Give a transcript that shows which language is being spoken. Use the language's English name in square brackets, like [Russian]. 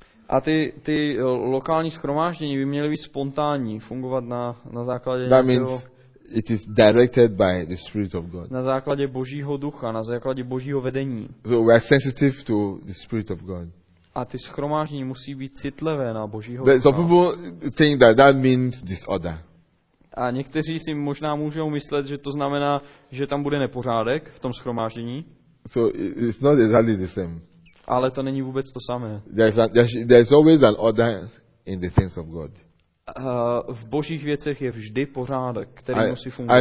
[Czech] A ty lokální shromáždění by měly být spontánní, fungovat na základě nějakého. [English] It is directed by the Spirit of God. [Czech] Na základě Božího ducha, na základě Božího vedení. [English] So we are sensitive to the Spirit of God. [Czech] A ty shromáždění musí být citlivé na Božího ducha. [English] Some people think that means disorder. [Czech] A někteří si možná můžou myslet, že to znamená, že tam bude nepořádek v tom shromáždění. [English] So it's not exactly the same. [Czech] Ale to není vůbec to samé. [English] There's always an order in the things of God. [Czech] V Božích věcech je vždy pořádek, který musí fungovat.